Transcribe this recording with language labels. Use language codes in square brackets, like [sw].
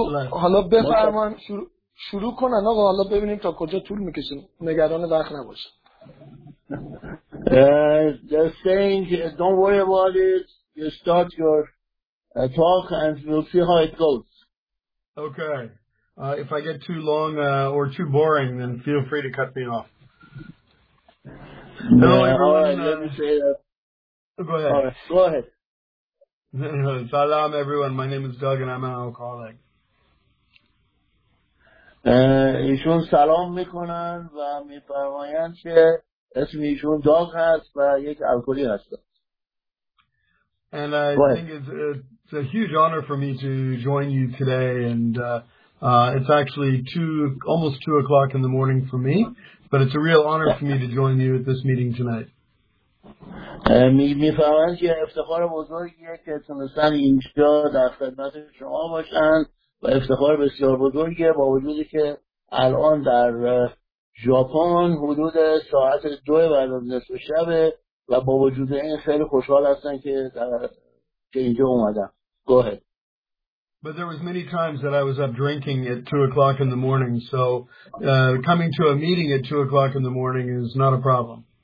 [fa] حالا بفرمان شروع کنن آقا، حالا ببینیم تا کجا طول میکشن، نگران وقت نباشه. [en] Just saying, don't worry about it. You start your talk and we'll see how it goes. Okay. If I get too long or too boring, then feel free to cut me off. No, everyone, all right, let me say that. Go ahead. Salam, everyone. My name is Doug and I'm an alcoholic. [fa] ایشون سلام میکنن و میفرمایند که اسم ایشون داغ هست و یک الکلی هست. [en] And I think it's a huge honor for me to join you today, and it's actually almost 2:00 in the morning for me, but it's a real honor for me to join you at this meeting tonight. [fa] میفرمایند که افتخار بزرگیه که تونستن اینجا در خدمت شما باشن و افتخار بسیار بزرگیه با وجودی که الان در ژاپن حدود ساعت 2 بعد از نصف شب و با وجود این خیلی خوشحال هستن که اینجا اومدن. [en] Go ahead. But there was many times that I was up drinking at 2:00 in the morning, so coming to a meeting at 2:00 in the morning is not a problem.